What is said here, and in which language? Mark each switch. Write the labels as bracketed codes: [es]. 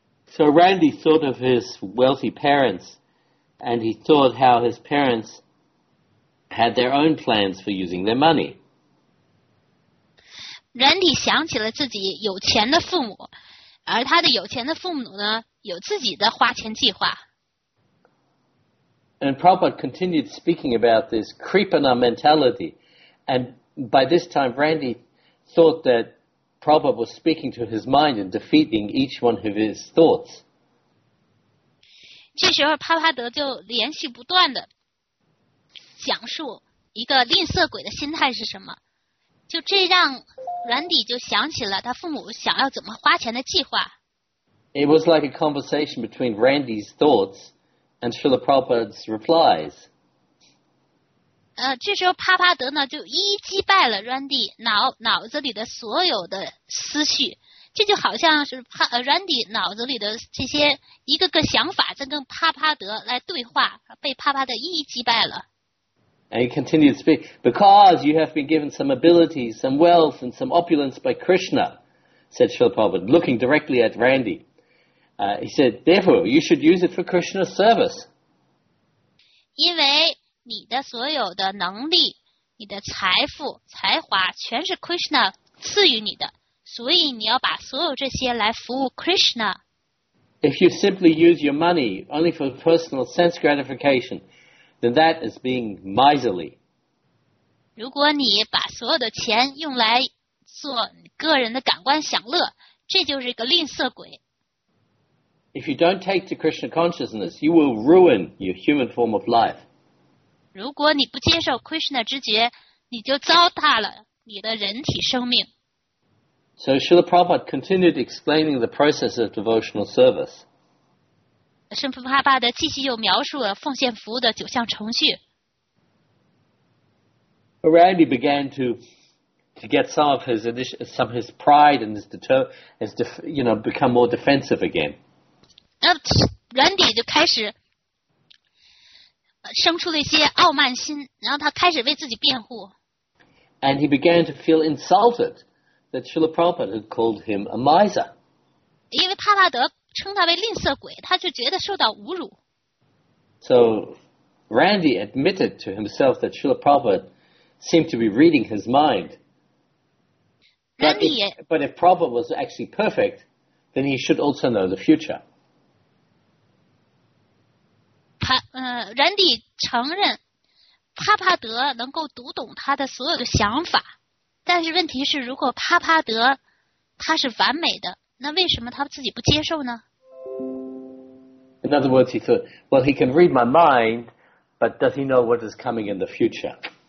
[en] So Randy thought of his wealthy parents, and he thought how his parents had their own plans for using their money. [zh] Randy 想起了自己有钱的父母，而他的有钱的父母呢，有自己的花钱计划。 [en] And Prabhupada continued speaking about this creeper mentality, and by this time Randy thought that. Prabhupada was speaking to his mind and defeating each one of his thoughts. [zh] 这时候帕帕德就连续不断地讲述一个吝啬鬼的心态是什么，就这让 Randy 就想起了他父母想要怎么花钱的计划。 [en] It was like a conversation between Randy's thoughts and Srila Prabhupada's replies. [zh] 这时候帕帕德呢就一一击败了 Randy 脑子里的所有的思绪，这就好像是Randy 脑子里的这些一个个想法在跟帕帕德来对话，被帕帕德一一击败了。 [en] And he continued to speak, because you have been given some ability, some wealth and some opulence by Krishna, said Srila Prabhupada, looking directly at Randy. He said, therefore you should use it for Krishna's service. [zh] 因为你的所有的能力，你的财富、才华，全是 Krishna 赐予你的，所以你要把所有这些来服务 Krishna。 [en] If you simply use your money only for personal sense gratification, then that is being miserly. [zh] 如果你把所有的钱用来做你个人的感官享乐，这就是一个吝啬鬼。 [en] If you don't take to Krishna consciousness, you will ruin your human form of life. [zh] 如果你不接受 Krishna 知觉，你就糟蹋了你的人体生命。 [en] So Srila Prabhupada continued explaining the process of devotional service. [zh] 圣父帕帕德继续又描述了奉献服务的九项程序。 [en] Randy began to get some of his pride and his become more defensive again. [zh] Randy 就开始生出了一些傲慢心，然后他开始为自己辩护。 [en] And he began to feel insulted that Srila Prabhupada had called him a miser. [zh] 因为帕帕德称他为吝啬鬼，他就觉得受到侮辱。 [en] So Randy admitted to himself that Srila Prabhupada seemed to be reading his mind. But if Prabhupada was actually perfect, then he should also know the future. [zh] Randy 承认帕帕德能够读懂他的所有的想法，但是问题是如果帕帕德他是完美的，那为什么他自己不接受呢？ [en] In other words, he thought, well, he can read my mind, but does he know what is coming in the future?